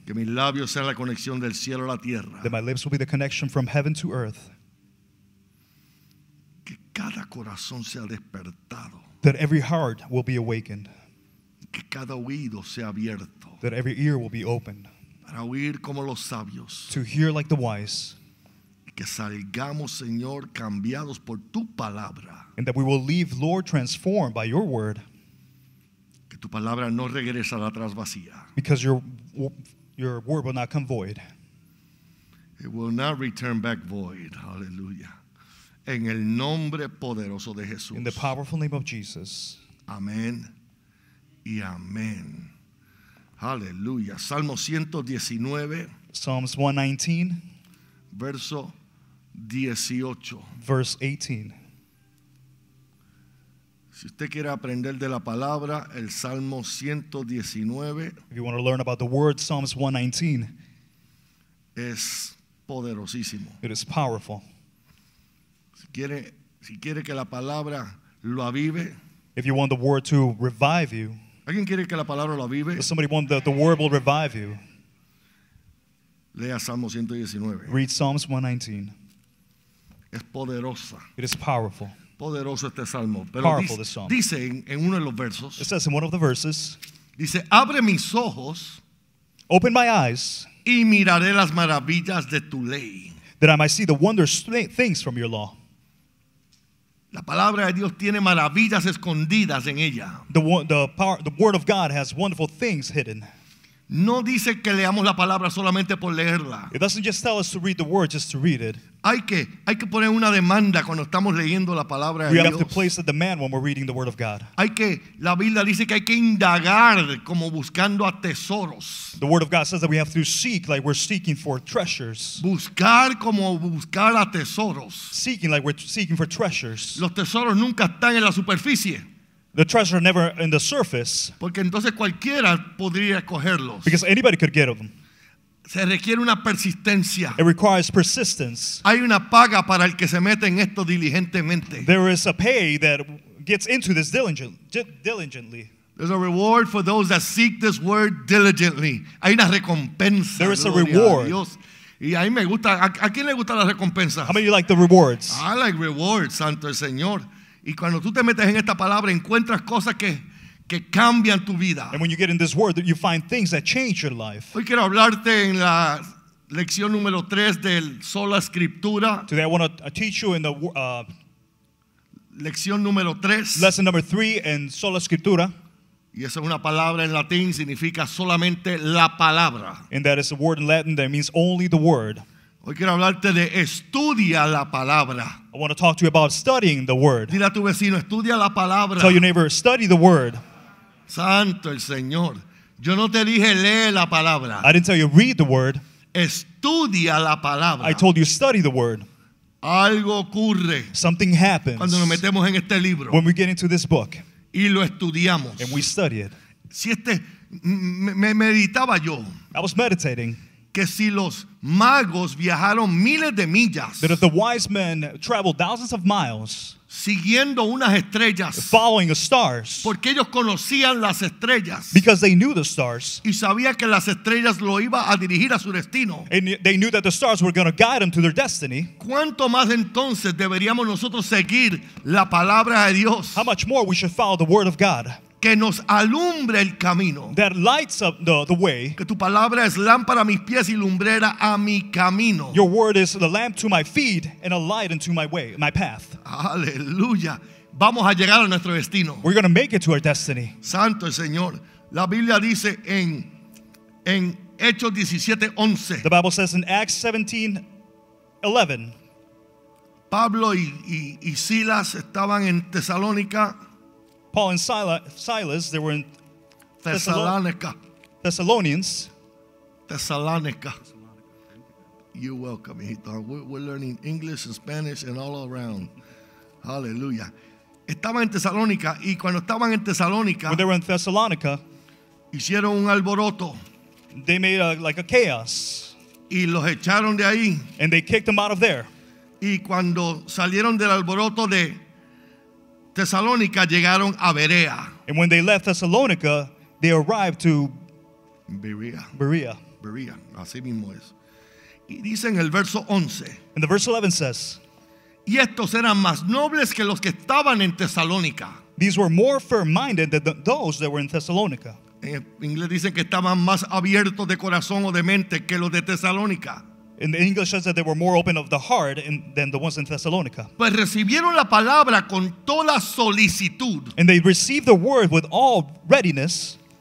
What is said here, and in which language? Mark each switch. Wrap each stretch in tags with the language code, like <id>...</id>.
<es>Que mis labios sean la conexión del cielo a la tierra.</es> <en>That my lips will be the connection from heaven to earth.</en> <es>Que cada corazón sea despertado.</es> <en>That every heart will be awakened.</en> <es>Que cada oído sea abierto.</es> <en>That every ear will be opened.</en> <es>Para oír como los sabios.</es> <en>To hear like the wise.</en> <es>Que salgamos, Señor, cambiados por tu palabra.</es> <en>And that we will leave, Lord, transformed by your word.</en> <es>Que tu palabra no regresará atrás vacía.</es> <en>Because your word will not come void. It will not return back void. Hallelujah.</en> <es>En el nombre poderoso de Jesús.</es> <en>In the powerful name of Jesus.</en> <es>Amén y amén. Hallelujah. Salmo 119.</es> <en>Psalms 119.</en> <es>Verso 18.</es> <en>Verse 18.</en> <es>Si usted quiere aprender de la palabra, el Salmo 119.</es> <en>If you want to learn about the word, Psalms 119.</en> <es>Es poderosísimo.</es> <en>It is powerful.</en> <es>Si quiere que la palabra lo avive.</es> <en>If you want the word to revive you.</en> <es>¿Alguien quiere que la palabra lo avive?</es> <en>Does somebody want the word will revive you?</en> <es>Lea Salmo 119.</es> <en>Read Psalms 119.</en> <es>Es poderosa.</es> <en>It is powerful.</en> <es>Poderoso este salmo. Pero powerful, dice,</es> <en>this psalm.</en> <es>Dice en uno de los versos.</es> <en>It says in one of the verses.</en> <es>Dice, abre mis ojos.</es> <en>Open my eyes.</en> <es>Y miraré las maravillas de tu ley.</es> <en>That I might see the wondrous things from your law.</en> <es>La palabra de Dios tiene maravillas escondidas en ella.</es> <en>The word of God has wonderful things hidden.</en> <es>No dice que leamos la palabra solamente por leerla.</es> <en>It doesn't just tell us to read the word just to read it.</en> <es>Hay que poner una demanda cuando estamos leyendo la palabra de Dios.</es> <en>We have to place a demand when we're reading the word of God.</en> <es>La Biblia dice que hay que indagar como buscando a tesoros.</es> <en>The word of God says that we have to seek like we're seeking for treasures.</en> <es>Buscar como buscar a tesoros.</es> <en>Seeking like we're seeking for treasures.</en> <es>Los tesoros nunca están en la superficie.</es> <en>The treasure never in the surface.</en> <es>Porque entonces cualquiera podría cogerlos.</es> <en>Because anybody could get them.</en> <es>Se requiere una persistencia.</es> <en>It requires persistence.</en> <es>Hay una paga para el que se mete en esto diligentemente.</es> <en>There is a pay that gets into this diligently. There's a reward for those that seek this word diligently.</en> <es>Hay una recompensa.</es> <en>There is a reward.</en> <es>Y ahí me gusta. ¿A quién le gusta la recompensa?</es> <en>How many of you like the rewards? I like rewards,</en> <es>Santo el Señor. Y cuando tú te metes en esta palabra, encuentras cosas que cambian tu vida.</es> <en>And when you get in this word, you find things that change your life.</en> <es>Hoy quiero hablarte en la lección número 3 del Sola Escritura.</es> <en>Today I want to teach you in the</en> <es>lección número 3.</es> <en>Lesson number 3 in Sola Escritura.</en> <es>Y esa es una palabra en latín, significa solamente la palabra.</es> <en>And that is a word in Latin that means only the word.</en> <es>Hoy quiero hablarte de estudia la palabra.</es> <en>I want to talk to you about studying the word.</en> <es>Dile a tu vecino, estudia la palabra.</es> <en>Tell your neighbor, study the word.</en> <es>Santo el Señor. Yo no te dije lee la palabra.</es> <en>I didn't tell you read the word.</en> <es>Estudia la palabra.</es> <en>I told you study the word.</en> <es>Algo ocurre.</es> <en>Something happens.</en> <es>Cuando nos metemos en este libro.</es> <en>When we get into this book.</en> <es>Y lo estudiamos.</es> <en>And we study it.</en> <es>Si me meditaba yo.</es> <en>I was meditating.</en> <es>Que si los magos viajaron miles de millas.</es> <en>That if the wise men traveled thousands of miles.</en> <es>Siguiendo unas estrellas.</es> <en>Following stars.</en> <es>Porque ellos conocían las estrellas.</es> <en>Because they knew the stars.</en> <es>Y sabía que las estrellas lo iba a dirigir a su destino.</es> <en>And they knew that the stars were going to guide them to their destiny.</en> <es>¿Cuánto más entonces deberíamos nosotros seguir la palabra de Dios?</es> <en>How much more we should follow the word of God.</en> <es>Que nos alumbre el camino.</es> <en>That lights up the way.</en> <es>Que tu palabra es lámpara a mis pies y lumbrera a mi camino.</es> <en>Your word is the lamp to my feet and a light into my way, my path.</en> <es>Aleluya. Vamos a llegar a nuestro destino.</es> <en>We're going to make it to our destiny.</en> <es>Santo el Señor. La Biblia dice en Hechos 17:11.</es> <en>The Bible says in Acts 17:11.</en> <es>Pablo y Silas estaban en Tesalónica.</es> <en>Paul and Silas, they were in Thessalonica. Thessalonians. Thessalonica. You're welcome, hijito. We're learning English and Spanish and all around. Hallelujah.</en> <es>Estaban en Tesalónica, y cuando estaban en Tesalónica,</es> <en>when they were in Thessalonica,</en> <es>hicieron un alboroto.</es> <en>They made a chaos.</en> <es>Y los echaron de ahí.</es> <en>And they kicked them out of there.</en> <es>Y cuando salieron del alboroto de Tesalónica, llegaron a Berea.</es> <en>And when they left Thessalonica, they arrived to Berea. Berea.</en> <es>Berea. Así mismo es. Y dice en el verso 11.</es> <en>And the verse 11 says,</en> <es>y estos eran más nobles que los que estaban en Tesalónica.</es> <en>These were more firm-minded than those that were in Thessalonica.</en> <es>En inglés dicen que estaban más abiertos de corazón o de mente que los de Tesalónica.</es> <en>In the English says that they were more open of the heart than the ones in Thessalonica.</en> <es>Pues recibieron la palabra con toda solicitud.</es> <en>And they received the word with all readiness.</en>